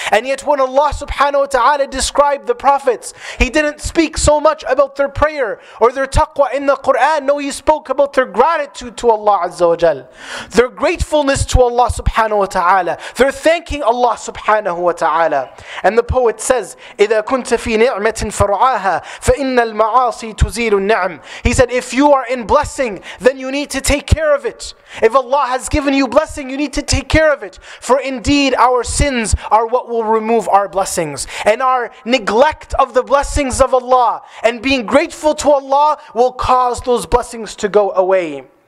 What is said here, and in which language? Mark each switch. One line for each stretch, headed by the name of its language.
English: And yet when Allah subhanahu wa ta'ala described the prophets, He didn't speak so much about their prayer or their taqwa in the Qur'an. No, He spoke about their gratitude to Allah azza wa jal. Their gratefulness to Allah subhanahu wa ta'ala. They're thanking Allah subhanahu wa ta'ala. And the poet says,
Arabic: إِذَا كُنْتَ فِي نِعْمَةٍ فَرْعَاهَا فَإِنَّ الْمَعَاصِي تُزِيلُ النِّعْمِ.
English: He said, if you are in blessing, then you need to take care of it. If Allah has given you blessing, you need to take care of it. For indeed, our sins are what will remove our blessings. And our neglect of the blessings of Allah and being grateful to Allah will cause those blessings to go away.